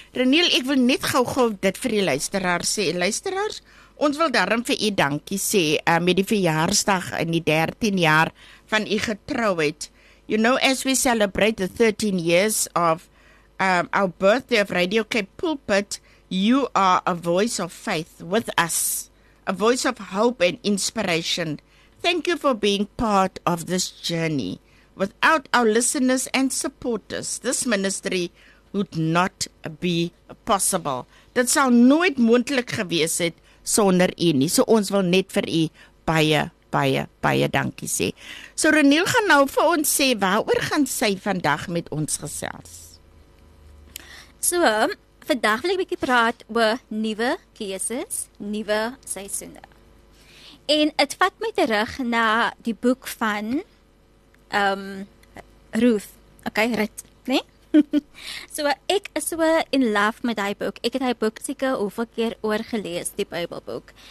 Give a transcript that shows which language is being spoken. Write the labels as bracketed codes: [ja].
[af] Reniel, ek wil net gou dit vir die luisteraars sê. Luisteraars, ons wil daarom vir u dankie sê met die verjaarsdag in die 13 jaar van u getrouheid. [en] You know, as we celebrate the 13 years of our birthday of Radio Cape Pulpit, you are a voice of faith with us, a voice of hope and inspiration. Thank you for being part of this journey. Without our listeners and supporters, this ministry would not be possible. [af] Dit sal nooit moontlik gewees het sonder u nie. So ons wil net vir u baie dankie sê. So Reniel gaan nou vir ons sê, waaroor gaan sy vandag met ons gesels? So, vandag wil ek bietjie praat oor nuwe keuses, nuwe seisoene. En het vat my terug na die boek van Ruth. Okay, Rut, nee? So, ek is so in love met die boek. Ek het die boek seker hoeveel keer oorgelees, die Bybelboek.